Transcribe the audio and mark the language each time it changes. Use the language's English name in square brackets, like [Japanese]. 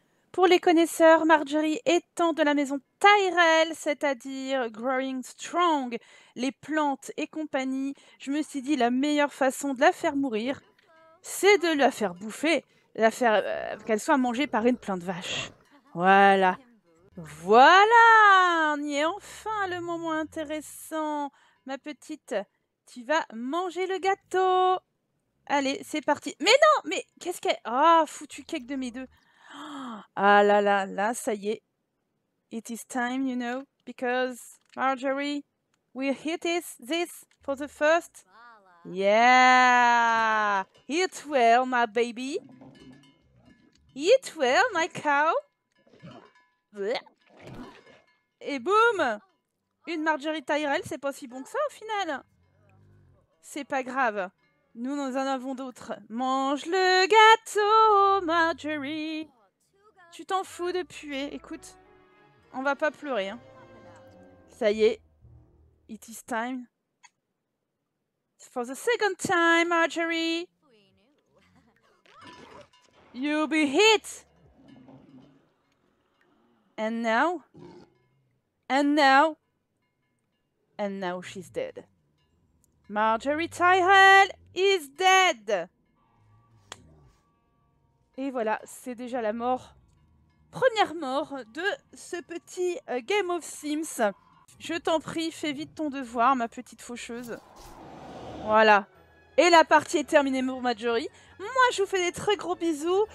[French] Pour les connaisseurs, Marjorie étant de la maison Tyrell, c'est-à-dire Growing Strong, les plantes et compagnie, je me suis dit la meilleure façon de la faire mourir, c'est de la faire bouffer, la faire qu'elle soit mangée par une plante vache. Voilà. Voilà, on y est enfin, le moment intéressant. Ma petite, tu vas manger le gâteau. Allez, c'est parti. Mais non, mais qu'est-ce qu'elle... Ah, oh, foutu cake de mes deux. Ah là là, là, ça y est. [English] It is time, you know, because Marjorie will hit this for the first. Yeah! Eat well, my baby. Eat well, my cow. [French] Et boum! Une Marjorie Tyrell, c'est pas si bon que ça, au final. C'est pas grave. Nous en avons d'autres. Mange le gâteau, Marjorie. Tu t'en fous de puer. Écoute, on va pas pleurer. Hein. Ça y est. It is time. [English] For the second time, Marjorie. You'll be hit. And now. And now. And now she's dead. Marjorie Tyrell is dead! [French] Et voilà, c'est déjà la mort. Première mort de ce petit Game of Sims. Je t'en prie, fais vite ton devoir, ma petite faucheuse. Voilà. Et la partie est terminée pour Marjorie. Moi, je vous fais des très gros bisous.